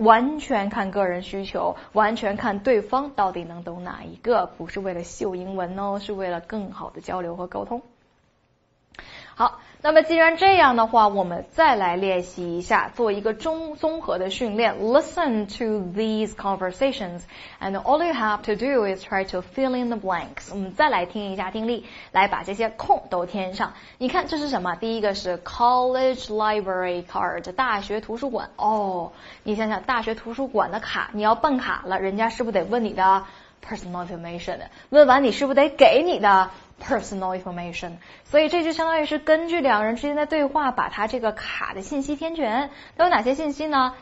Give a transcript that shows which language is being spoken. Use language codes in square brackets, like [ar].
[zh] 完全看个人需求，完全看对方到底能懂哪一个，不是为了秀英文哦，是为了更好的交流和沟通。好，那么既然这样的话，我们再来练习一下，做一个综合的训练。 [en] Listen to these conversations, and all you have to do is try to fill in the blanks. [zh] 我们再来听一下听力，来把这些空都填上。你看这是什么？第一个是 college library card， 大学图书馆。哦，你想想，大学图书馆的卡，你要办卡了，人家是不是得问你的 personal information？问完你是不是得给你的personal information， 所以这就相当于是根据两人之间的对话，把他这个卡的信息填全。都有哪些信息呢？